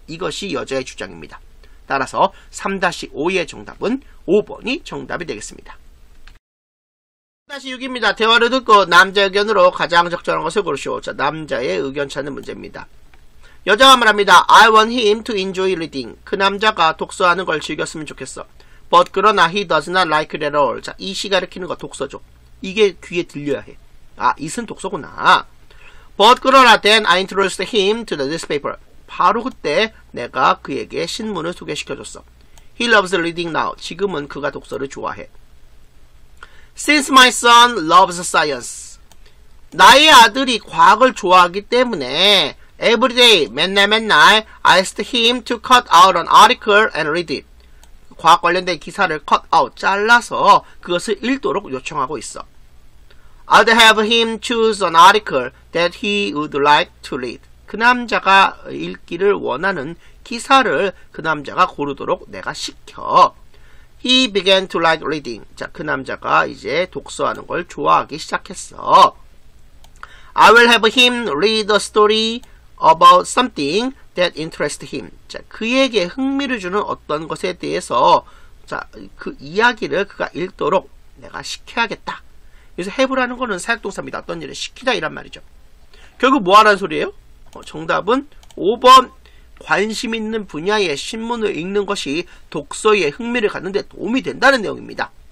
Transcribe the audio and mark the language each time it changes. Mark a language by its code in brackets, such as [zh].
[ko] 이것이 여자의 주장입니다. 따라서 3-5의 정답은 5번이 정답이 되겠습니다. 6입니다. 대화를 듣고 남자 의견으로 가장 적절한 것을 고르시오. 자, 남자의 의견 찾는 문제입니다. 여자가 말합니다. [en] I want him to enjoy reading. [ko] 그 남자가 독서하는 걸 즐겼으면 좋겠어. [en] But 그러나 he does not like it at all. [ko] 자, 이시 가르키는 거 독서죠. 이게 귀에 들려야 해. 아, 이슨 독서구나. [en] But 그러나 then I introduced him to the newspaper. [ko] 바로 그때 내가 그에게 신문을 소개시켜줬어. [en] He loves reading now. [ko] 지금은 그가 독서를 좋아해. [en] Since my son loves science. [ko] 나의 아들이 과학을 좋아하기 때문에 [en] every day, 맨날 I asked him to cut out an article and read it. [ko] 과학 관련된 기사를 cut out, 잘라서 그것을 읽도록 요청하고 있어. [en] I'd have him choose an article that he would like to read. [ko] 그 남자가 읽기를 원하는 기사를 그 남자가 고르도록 내가 시켜. [en] He began to like reading. [ko] 자, 그 남자가 이제 독서하는 걸 좋아하기 시작했어. [en] I will have him read a story about something that interests him. [ko] 자, 그에게 흥미를 주는 어떤 것에 대해서 자, 그 이야기를 그가 읽도록 내가 시켜야겠다. 여기서 have라는 거는 사역동사입니다. 어떤 일을 시키다 이란 말이죠. 결국 뭐 하라는 소리예요? 정답은 5번. 관심 있는 분야의 신문을 읽는 것이 독서에 흥미를 갖는 데 도움이 된다는 내용입니다.